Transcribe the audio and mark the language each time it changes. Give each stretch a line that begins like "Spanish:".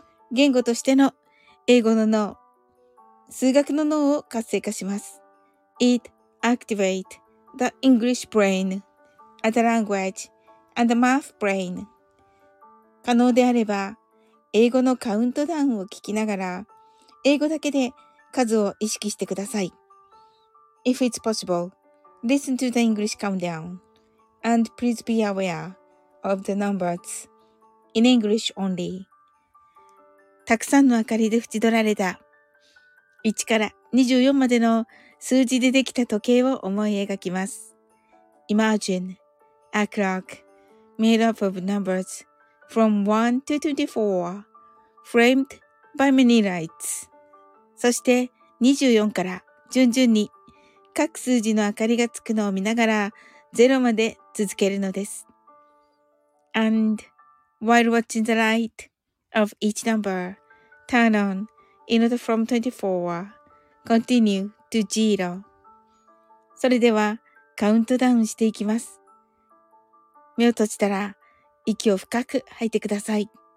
Japanese: 言語としての英語の脳、数学の脳を活性化します。
English: It activates the English brain. As a language and a math brain.
Japanese: 可能であれば、英語のカウントダウンを聞きながら、英語だけで数を意識してください。
English: If it's possible, listen to the English countdown and please be aware of the numbers in English only.
Japanese: たくさんの明かりで縁取られた1から24までの数字でできた時計を思い描きます。
English: Imagine. A clock made up of numbers from 1 to 24 framed by many lights.
Japanese: そして24から順々に各数字の明かりがつくのを見ながら0まで続けるのです。
English: And while watching the light of each number turn on in order from 24, continue to 0.
Japanese: それではカウントダウンしていきます。目を閉じたら息を深く吐いてください。